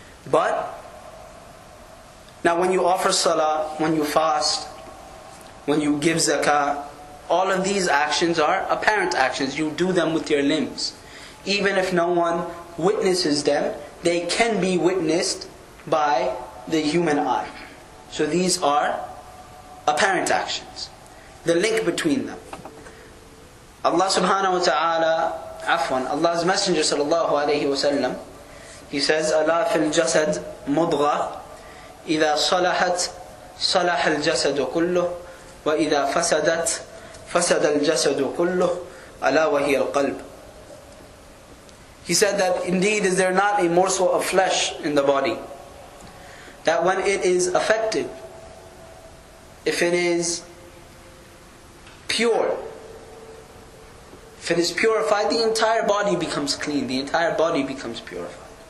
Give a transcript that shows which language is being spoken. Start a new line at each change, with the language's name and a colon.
English: But, now when you offer salah, when you fast, when you give zakah, all of these actions are apparent actions. You do them with your limbs. Even if no one witnesses them, they can be witnessed by the human eye. So these are apparent actions. The link between them. Allah subhanahu wa ta'ala, afwan, Allah's Messenger sallallahu alayhi wa sallam, he says,
Arabic: أَلَا فِي الْجَسَدْ مُضْغَةً إِذَا صَلَحَتْ صَلَحَ الْجَسَدُ كُلُّهُ وَإِذَا فَسَدَتْ فَسَدَ الْجَسَدُ كُلُّهُ أَلَا وَهِيَ الْقَلْبُ.
English: He said that indeed is there not a morsel of flesh in the body, that when it is affected, if it is pure, if it is purified, the entire body becomes clean, the entire body becomes purified.